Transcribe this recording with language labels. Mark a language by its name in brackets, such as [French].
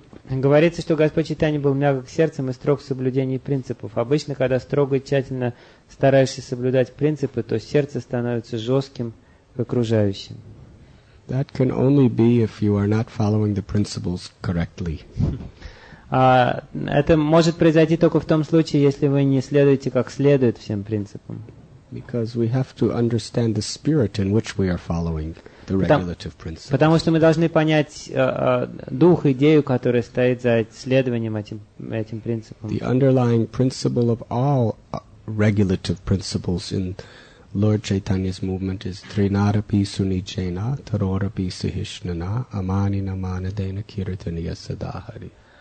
[Russian] Говорится, что Господь Чайтанья был мягок сердцем и строг в соблюдении принципов. Обычно, когда строго и тщательно стараешься соблюдать принципы, то сердце становится жестким к окружающим. [English] That can only be if you are not following the principles correctly. [Russian] Это может произойти только в том случае, если вы не следуете как следует всем принципам. [English] Because we have to understand the spirit in which we are following the regulative principles. [Russian] Потому что мы должны понять дух, идею, которая стоит за следованием этим принципам. [English] The underlying principle of all regulative principles in Lord Chaitanya's movement is [Sanskrit] Trinarapi Sunichena, Tarorapi Sahishnana, Amani Namanadena Kirtaniya Sadahari.